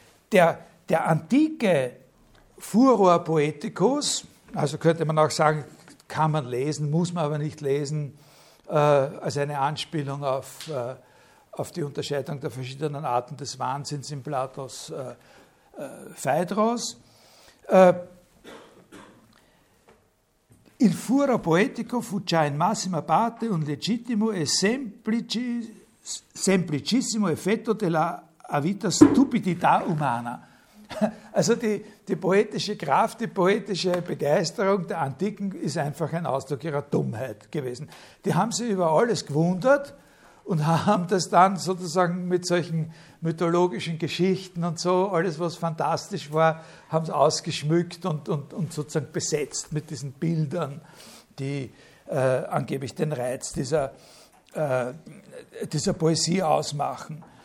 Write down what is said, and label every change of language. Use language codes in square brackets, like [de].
[de] Der antike Furor Poeticus, also könnte man auch sagen, kann man lesen, muss man aber nicht lesen, als eine Anspielung auf die Unterscheidung der verschiedenen Arten des Wahnsinns in Platos Phaedros. [it] Il furor poetico fu già in massima parte un legittimo e semplicissimo effetto della avita stupidità umana. [de] Also die poetische Kraft, die poetische Begeisterung der Antiken ist einfach ein Ausdruck ihrer Dummheit gewesen. Die haben sich über alles gewundert und haben das dann sozusagen mit solchen mythologischen Geschichten und so, alles was fantastisch war, haben es ausgeschmückt und sozusagen besetzt mit diesen Bildern, die angeblich den Reiz dieser Poesie ausmachen.